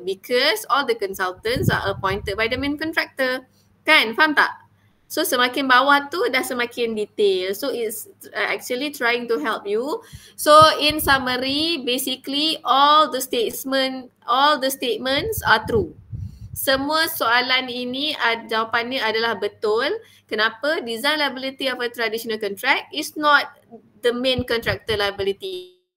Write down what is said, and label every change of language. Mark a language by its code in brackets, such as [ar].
[en] Because all the consultants are appointed by the main contractor. [ms] Kan, faham tak? So semakin bawah tu dah semakin detail. [en] So it's actually trying to help you. So in summary, basically all the statements are true. [ms] Semua soalan ini jawapannya adalah betul. Kenapa? [en] Design liability of a traditional contract is not the main contractor liability.